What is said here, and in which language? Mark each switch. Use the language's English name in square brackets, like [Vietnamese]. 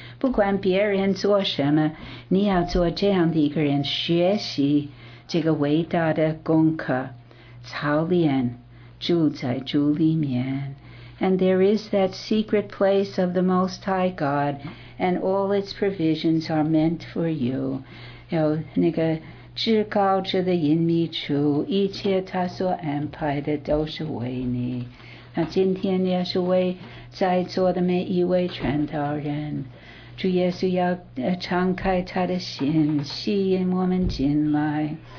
[Chinese] 不管别人做什么，你要做这样的一个人，学习这个伟大的功课，操练住在主里面。 [English] And there is that secret place of the Most High God, and all its provisions are meant for you. [Chinese] 有那个至高者的隐秘处，一切他所安排的都是为你。那今天也是为在座的每一位传道人，主耶稣要敞开他的心，吸引我们进来。